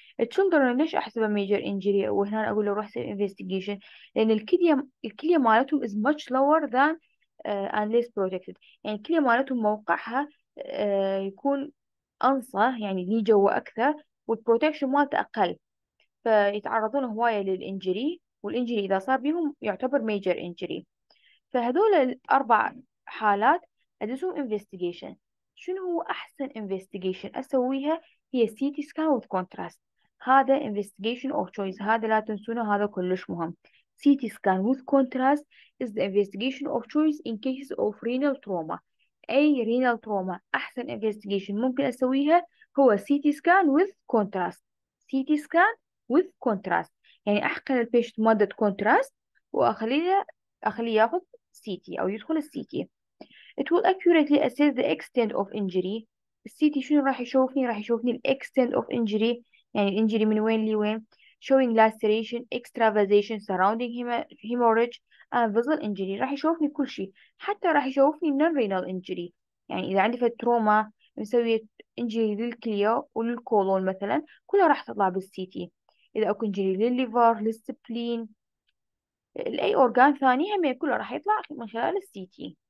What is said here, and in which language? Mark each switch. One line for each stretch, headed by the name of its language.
Arabic: التشلدرن ليش احسبها ميجر انجري وهنا اقول له روح سوي انفستيجيشن؟ لان الكليه مالتهم
English: is much lower than and less protected,
Arabic: يعني الكليه مالتهم موقعها يكون انصه يعني لي جوا اكثر، والبروتكشن مالته اقل، فيتعرضون هوايه للانجري، والانجري اذا صار بيهم يعتبر ميجر انجري. فهذول الاربع حالات أدوسهم investigation. شنو هو أحسن investigation أسويها؟ هي CT scan with contrast، هذا
English: investigation of choice،
Arabic: هذا لا تنسونه، هذا كلش مهم.
English: CT scan with contrast is the investigation of choice in cases of renal trauma.
Arabic: أي renal trauma أحسن investigation ممكن أسويها هو CT scan with contrast. CT scan with contrast يعني أحقن البيشت مادة contrast وأخليه ياخذ CT أو يدخل CT.
English: It will accurately assess the extent of injury.
Arabic: ال CT شنو راح يشوفني؟ راح يشوفني ال
English: extent of injury،
Arabic: يعني ال injury من وين لي وين.
English: Showing laceration, extravasation, surrounding hemorrhage and vessel injury.
Arabic: راح يشوفني كل شيء، حتى راح يشوفني
English: non renal injury،
Arabic: يعني إذا عندي فت تروما مسوية injury للكلية وللكولون مثلا، كلها راح تطلع بال CT. إذا أكو injury للليفر، للسبلين، لأي أورجان ثاني هم كلها راح يطلع من خلال ال CT.